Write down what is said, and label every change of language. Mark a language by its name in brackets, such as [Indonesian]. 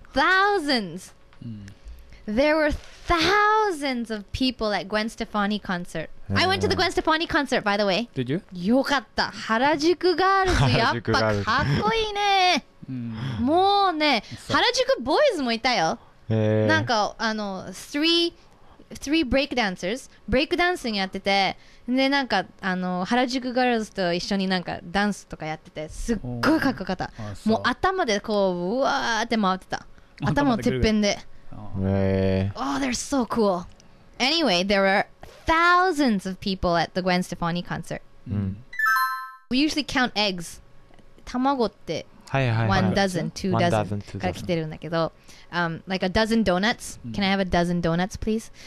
[English] Thousands.、うん、There were thousands of people at Gwen Stefani concert. I went to the Gwen Stefani concert, by the way. Did you? [Japanese] よかった、原宿ガールズやっぱかっこいいねうん、もうね、原宿ボーイズもいたよ。なんかあの [English] three break dancers [Japanese] ブレイクダンスやってて、でなんかあの原宿ガールズと一緒になんかダンスとかやってて、すっごいかっこよかった。もう頭でこううわーって回ってた、頭のてっぺんで。 [English] Oh, they're so cool. Anyway, there were thousands of people at the Gwen Stefani concert.、うん、We usually count eggs. [Japanese] 卵って。はいはいはい、 [English] one dozen, two dozen [Japanese] が来てるんだけど、 [English] like a dozen donuts. Can I have a dozen donuts, please?